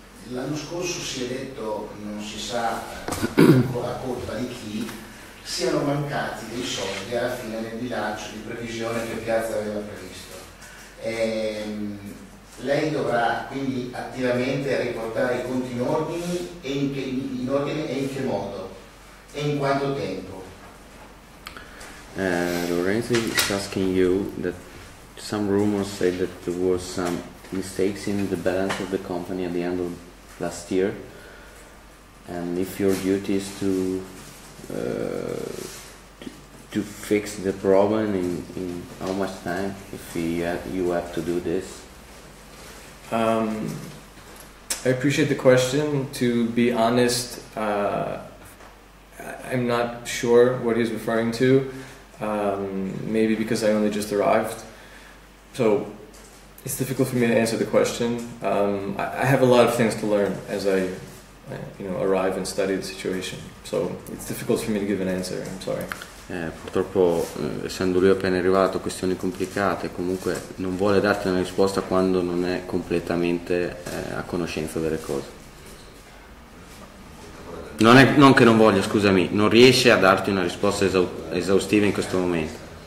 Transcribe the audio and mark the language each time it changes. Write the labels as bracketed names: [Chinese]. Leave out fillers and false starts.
[Italian] L'anno scorso si è detto, non si sa a colpa di chi, siano mancati dei soldi alla fine del bilancio di previsione che Piazza aveva previsto. Lei dovrà quindi attivamente riportare i conti in ordine, e in che modo? E in quanto tempo? [English] Lorenzo is asking you that some rumors say that there was some mistakes in the balance of the company at the end of last year, and if your duty is to to fix the problem in how much time if you have to do this? I appreciate the question. To be honest, I'm not sure what he's referring to, maybe because I only just arrived. So it's difficult for me to answer the question. I have a lot of things to learn as I arrive and study the situation. So it's difficult for me to give an answer, I'm sorry. [Italian] Purtroppo, essendo lui appena arrivato, questioni complicate, comunque non vuole darti una risposta quando non è completamente a conoscenza delle cose. Non riesce a darti una risposta esaustiva in questo momento.